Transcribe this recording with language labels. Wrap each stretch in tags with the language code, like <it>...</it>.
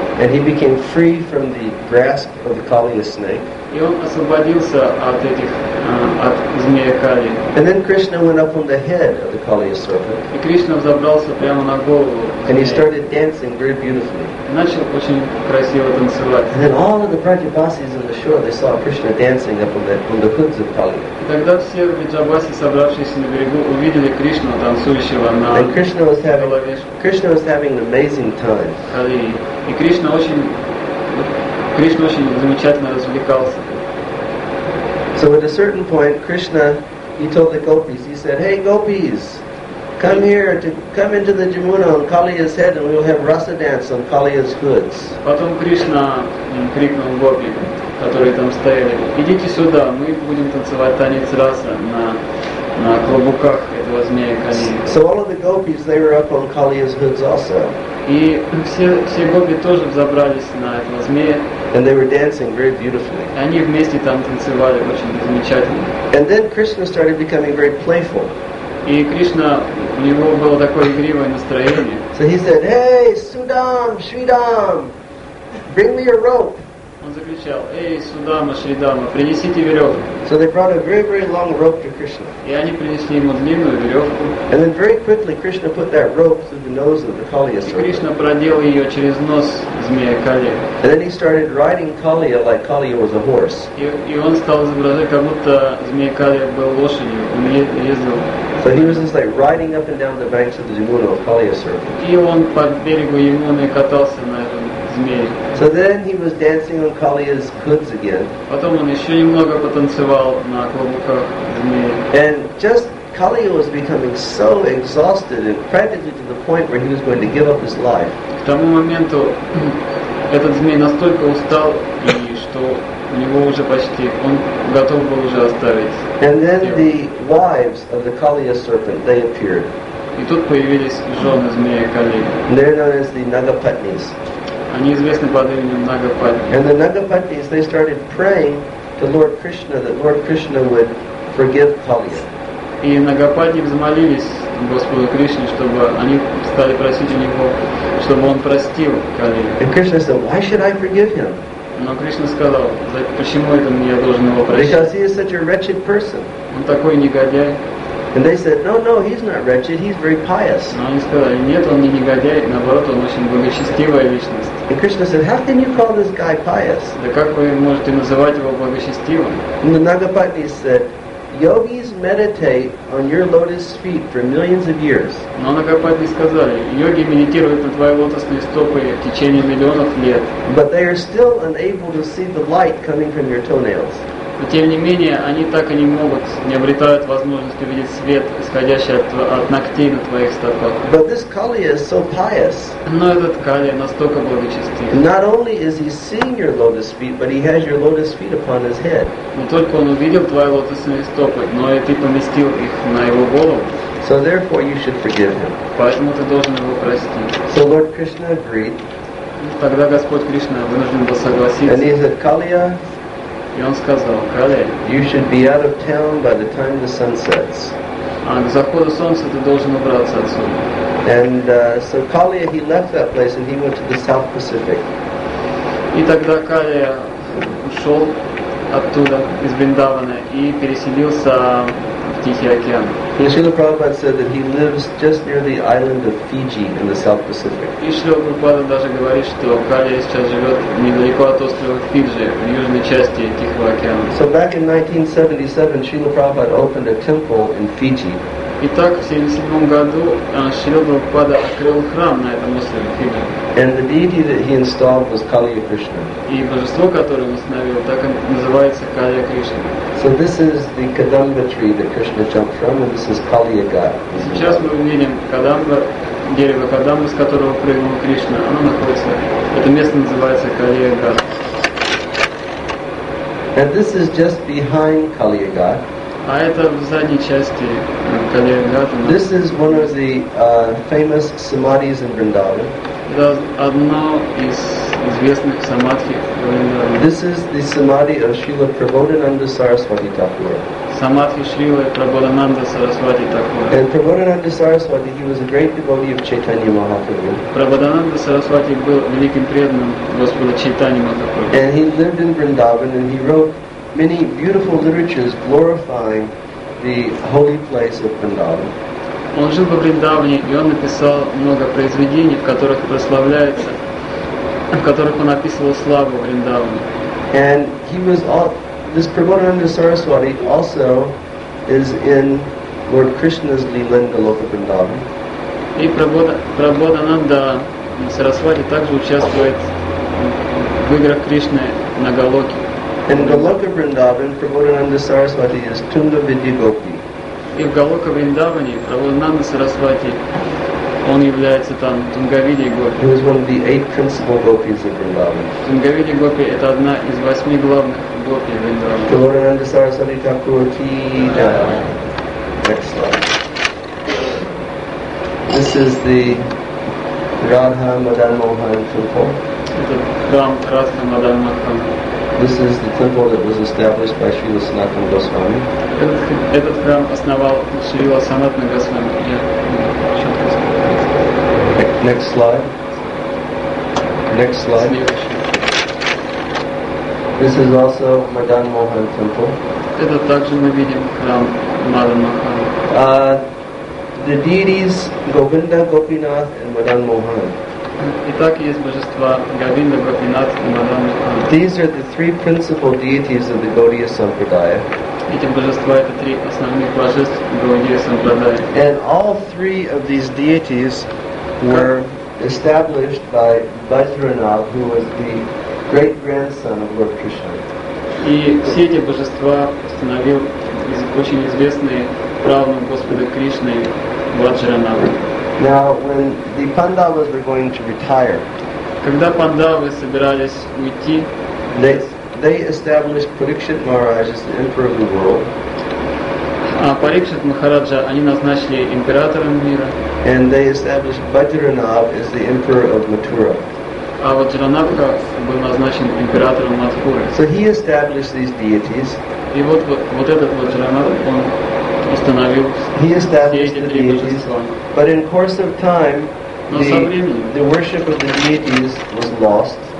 <en>And he became free from the grasp of the Kaliya snake.</en> <ru>И он освободился от этих, от змея Кали.</ru> <en>And then Krishna went up on the head of the Kaliya serpent.</en> <ru>И Кришна взобрался прямо на голову змея.</ru> <en>And he started dancing very beautifully.</en> <ru>И начал очень красиво танцевать.</ru> <en>And then all of the Vrajavasis on the shore, they saw Krishna dancing up on the hoods of Kaliya.</en> <ru>И тогда все Vrajavasis, собравшиеся на берегу, увидели Кришну, танцующего на голове.</ru> <en>And Krishna was having an amazing time.</en> <ru>И Кришна очень замечательно развлекался.</ru> <en>So at a certain point, Krishna, he told the gopis, he said, hey gopis, come here, to come into the Yamuna on Kaliya's head and we'll have rasa dance on Kaliya's hoods.</en> <ru>Потом Кришна крикнул гопи, которые там стояли, идите сюда, мы будем танцевать танец раса на клобуках этого змея Калии.</ru> <en>So all of the gopis, they were up on Kaliya's hoods also.</en> <ru>И все гопи тоже взобрались на этого змея.</ru> <en>And they were dancing very beautifully.</en> <ru>Они вместе там танцевали очень замечательно.</ru> <en>And then Krishna started becoming very playful.</en> <ru>И Кришна, у него было такое игривое настроение.</ru> <en>So he said, hey, Sudam, Shridam, bring me a rope.</en> <ru>Он закричал, эй, Судама, Шридама, принесите веревку.</ru> <en>So they brought a very, very long rope to Krishna.</en> <ru>И они принесли ему длинную веревку.</ru> <en>And then very quickly Krishna put that rope through the nose of the Kaliya serpent.</en> <ru>И Кришна продел ее через нос змея Калия.</ru> <en>And then he started riding Kaliya like Kaliya was a horse.</en> <ru>И он стал изображать, как будто змея Калия был лошадью, он ездил.</ru> <en>So he was just like riding up and down the banks of the Yamuna of Kaliya serpent.</en> <ru>И он по берегу Ямуны катался на этом.</ru> <en>So then he was dancing on Kaliya's hoods again.</en> <ru>Потом он еще немного потанцевал на клобуках змея.</ru> <en>And just Kaliya was becoming so exhausted and practically to the point where he was going to give up his life.</en> <ru>К тому моменту этот змей настолько устал, и что у него уже почти он готов был уже оставить.</ru> <en>And then the wives of the Kaliya serpent they appeared.</en> <ru>И тут появились жены змея Калии.</ru> <en>They're known as the Nagapatnis.</en> <ru>Они известны под именем Нагапатни.</ru> <en>And the Nagapatnis, they started praying to Lord Krishna that Lord Krishna would forgive Kaliya.</en> <ru>И Нагапатни взмолились Господу Кришне, чтобы они стали просить у него, чтобы он простил Калию.</ru> <en>And Krishna said, why should I forgive him?</en> <ru>Но Кришна сказал, почему это я должен его простить?</ru> <en>Because he is such a wretched person.</en> <ru>Он такой негодяй.</ru> <en>And they said, no, no, he's not wretched, he's very pious.</en> <ru>Но они сказали, нет, он не негодяй, наоборот, он очень благочестивая личность.</ru> <en>And Krishna said, how can you call this guy pious?</en> <ru>Да как вы можете называть его благочестивым?</ru> <en>And the Nagapati said, yogis meditate on your lotus feet for millions of years.</en> <ru>Но Нагапати сказали, йоги медитируют на твои лотосные стопы в течение миллионов лет.</ru> <en>But they are still unable to see the light coming from your toenails.</en> <ru>Но тем не менее, они так и не могут, не обретают возможность увидеть свет, исходящий от ногтей на твоих стопах.</ru> <en>But this Kaliya is so pious.</en> <ru>Но этот Калия настолько благочестив.</ru> <en>Not only is he seeing your lotus feet, but he has your lotus feet upon his head.</en> <ru>Не только он увидел твои лотосные стопы, но и ты поместил их на его голову.</ru> <en>So therefore you should forgive him.</en> <ru>Поэтому ты должен его простить.</ru> <en>So Lord Krishna agreed.</en> <ru>Тогда Господь Кришна вынужден был согласиться.</ru> <en>And he said, Kaliya,</en> <ru>и он сказал, Калия,</ru> <en>you should be out of town by the time the sun sets.</en> <ru>А к заходу солнца ты должен убраться отсюда.</ru> <en>And so Kaliya, he left that place and he went to the South Pacific.</en> <ru>И тогда Калия ушел оттуда из Вриндавана и переселился в Тихий океан.</ru> <en>And Srila Prabhupada said that he lives just near the island of Fiji in the South Pacific.</en> <ru>И Шрила Прабхупада даже говорит, что Калия сейчас живет недалеко от острова Фиджи, в южной части Тихого океана.</ru> <en>So back in 1977, Srila Prabhupada opened a temple in Fiji.</en> <ru>Итак, в 77 году Шрила Прабхупада открыл храм на этом острове Фиджи.</ru> <en>And the deity that he installed was Kaliya Krishna.</en> <ru>И божество, которое он установил, так называется Калия Кришна.</ru> <en>So this is the Kadamba tree that Krishna jumped from, and this is Kaliya Gaya.</en> <ru>Сейчас мы увидим Кадамба, дерево Кадамба, с которого прыгнул Кришна. Оно находится. Это место называется Калия Гая.</ru> <en>And this is just behind Kaliya Gaya.</en> <ru>А это в задней части Калия Гая.</ru> <en>This is one of the famous samadhis in Vrindavan.</en> <ru>Это одно из известных самадхи в Вриндаване.</ru> <en>This is the samadhi of Srila Prabodhananda Saraswati Thakura.</en> <ru>Самадхи Шрилы Прабхудананда Сарасвати Такура.</ru> <en>And Prabodhananda Saraswati, he was a great devotee of Chaitanya Mahaprabhu.</en> <ru>Прабхудананда Сарасвати был великим преданным Господа Чайтаньи Махапрабху.</ru> <en>And he lived in Vrindavan and he wrote many beautiful literatures glorifying the holy place of Vrindavan.</en> <ru>Он жил во Вриндаване, и он написал много произведений, в которых прославляется, в которых он описывал славу Вриндавана.</ru> <en>And he was all, this Prabodhananda Saraswati also is in Lord Krishna's Lila in Goloka Vrindavan.</en> <ru>И Прабхудананда Сарасвати также участвует в играх Кришны на Голоке.</ru> <en>In Goloka Vrindavan, Prabodhananda Saraswati is Tunda Vidyagopi.</en> <ru>И в Галока Вриндаване Прабхудананда Сарасвати он является там Тунгавиди Гопи.</ru> <en>He was one of the eight principal gopis of Vrindavan.</en> <ru>Тунгавиди Гопи это одна из восьми главных гопи Вриндавана. Прабхудананда Сарасвати Такур Тида.</ru> <en>Next slide. This is the Radha Madan Mohan temple.</en> <ru>Это храм Радха Мадан Мохан.</ru> <en>This is the temple that was established by Srila Sanatana Goswami.</en> <ru>Этот храм основал Шрила Санатана Госвами.</ru> <en>Next slide. Next slide. This is also Madan Mohan temple.</en> <ru>Это также мы видим храм Мадан Мохан.</ru> <en>The deities Govinda Gopinath and Madan Mohan.</en> <ru>Итак, есть божества Говинда, Гопинат и Мадан Мохан.</ru> <en>These are the three principal deities of the Gaudiya Sampradaya.</en> <ru>Эти божества это три основных божеств Гаудия Сампрадая.</ru> <en>And all three of these deities were established by Vajranath, who was the great grandson of Lord Krishna.</en> <ru>И все эти божества установил очень известный правнук Господа Кришны Ваджранада.</ru> <en>Now, when the Pandavas were going to retire,</en> <ru>когда Пандавы собирались уйти,</ru> <en>they established Parikshit Maharaj as the emperor of the world.</en> <ru>Парикшит Махараджа они назначили императором мира.</ru> <en>And they established Vajranath as the emperor of Mathura.</en> <ru>А Ваджранадха был назначен императором Матхуры.</ru> <en>So he established these deities.</en> <ru>И вот этот Ваджранадха он установил</ru> <en>he established</en> <ru>все эти</ru> <en>the deities. But in course of time, the worship of the deities was lost.</en>